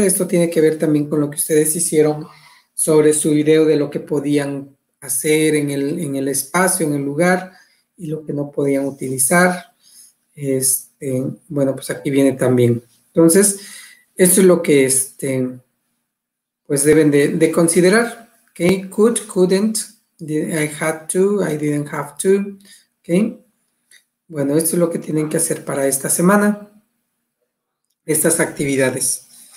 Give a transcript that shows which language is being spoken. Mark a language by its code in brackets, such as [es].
[es] Esto tiene que ver también con lo que ustedes hicieron sobre su video de lo que podían hacer en el espacio, en el lugar, y lo que no podían utilizar. Pues aquí viene también. Entonces, esto es lo que deben de considerar. [en] Okay. Could, couldn't, I had to, I didn't have to. Okay. [es] Bueno, esto es lo que tienen que hacer para esta semana, estas actividades.